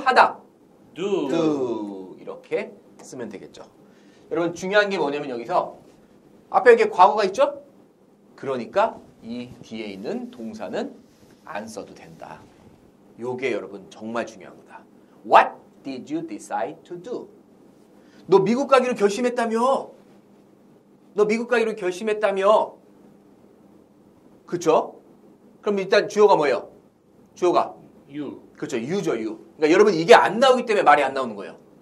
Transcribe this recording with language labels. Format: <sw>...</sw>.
<ko>하다?</ko> <en>Do.</en> <ko>do 이렇게 쓰면 되겠죠. 여러분 중요한 게 뭐냐면 여기서 앞에 이렇게 과거가 있죠? 그러니까 이 뒤에 있는 동사는 안 써도 된다. 요게 여러분 정말 중요한 거다.</ko> <en>What did you decide to do?</en> <ko>너 미국 가기로 결심했다며? 너 미국 가기로 결심했다며? 그쵸? 그럼 일단 주어가 뭐예요? 주어가?</ko> <en>You.</en> <ko>그쵸, you죠, you. 그러니까 여러분 이게 안 나오기 때문에 말이 안 나오는 거예요.</ko>